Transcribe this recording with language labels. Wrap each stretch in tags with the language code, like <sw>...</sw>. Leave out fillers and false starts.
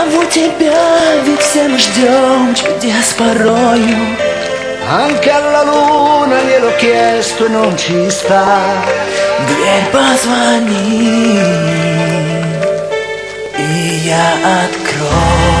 <ru>Тебя ведь все мы ждем чудес порою.</ru> <it>Anche alla luna gliel'ho chiesto e non ci sta.</it> <ru>Дверь позвони, и я открою.</ru>